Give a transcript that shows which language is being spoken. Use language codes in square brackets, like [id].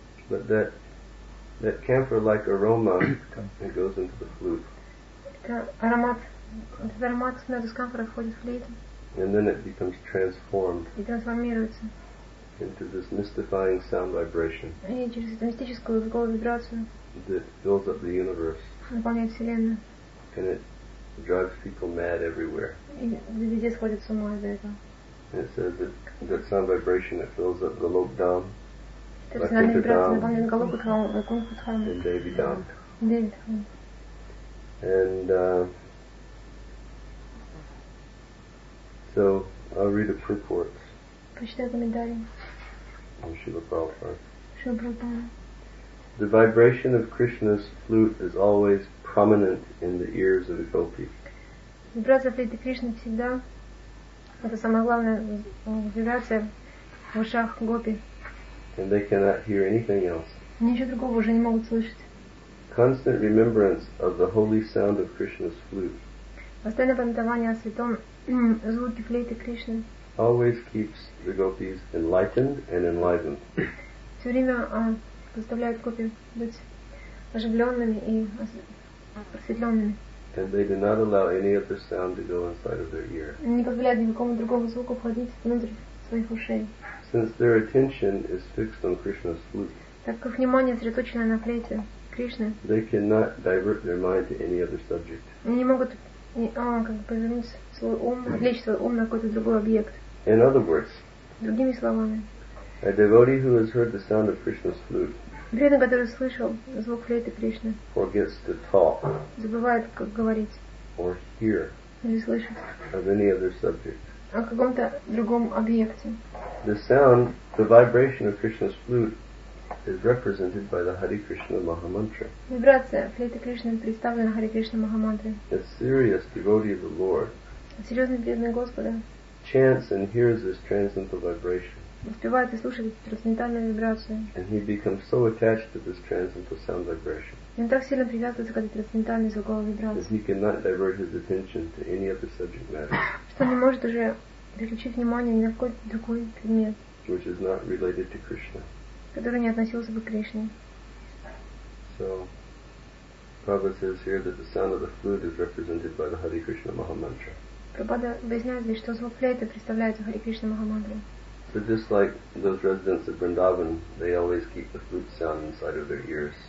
[en] But that camphor-like aroma it goes into the flute. [ru] Этот аромат мёд из камфора входит в флейту. [en] And then it becomes transformed. [ru] И трансформируется. [en] Into this mystifying sound vibration. [ru] И через эту мистическую звуковую вибрацию. [en] That fills up the universe. [ru] Наполняет вселенную. [en] And it drives people mad everywhere. [ru] И везде сходят с ума из-за этого. [en] It says that that sound vibration that fills up the Lok Dham, Lakinta Dham, and Devi Dham. Dham. And so I'll read a purport. [ru] Почитай комментарий. [en] From Srila Prabhupada. The vibration of Krishna's flute is always prominent in the ears of a gopi. [ru] Vibrация флейты Кришны всегда. Это самая главная вибрация в ушах гопи. [en] And they cannot hear anything else. [ru] Ничего другого уже не могут слышать. [en] Constant remembrance of the holy sound of Krishna's flute. [ru] Постоянное памятование о святом звуке флейты Кришны. [en] Always keeps the gopis enlightened and enlivened. [ru] Все время заставляет гопи быть оживленными и просветленными. [en] And they do not allow any other sound to go inside of their ear. [ru] Не позволяют никакому другому звуку входить внутрь своих ушей. [en] Since their attention is fixed on Krishna's flute. [ru] Так как внимание сосредоточено на флейте Кришны. [en] They cannot divert their mind to any other subject. [ru] Не могут повернуть свой ум, отвлечь свой ум на какой-то другой объект. [en] In other words. [ru] Другими словами. [en] A devotee who has heard the sound of Krishna's flute. [ru] Преданный, который слышал звук флейты Кришны, [en] forgets to talk, [ru] забывает, как говорить, [en] or hear, [ru] или слышать, [en] of any other subject, [ru] о каком-то другом объекте. [en] The sound, the vibration of Krishna's flute, is represented by the Hare Krishna Mahamantra. [ru] Вибрация флейты Кришны представлена Харе Кришна Махамантре. [en] A serious devotee of the Lord, [ru] серьезный преданный Господа, [en] chants and hears this transcendental vibration. [ru] Успевает и слушает эту трансцендентальную вибрацию. [en] And he becomes so attached to this transcendental sound vibration. [ru] И он так сильно привязывается к этой трансцендентальной звуковой вибрации. [en] That he cannot divert his attention to any other subject matter. [ru] Что не может уже переключить внимание ни на какой другой предмет. [en] Which is not related to Krishna. [ru] Который не относился бы к Кришне. [en] So, Prabhupada says here that the sound of the flute is represented by the Hare Krishna Maha Mantra. [ru] Prabhupada объясняет здесь, что звук флейты представляет Hare Krishna Maha Mantra. [en] So just like those residents of Vrindavan, they always keep the flute sound inside of their ears.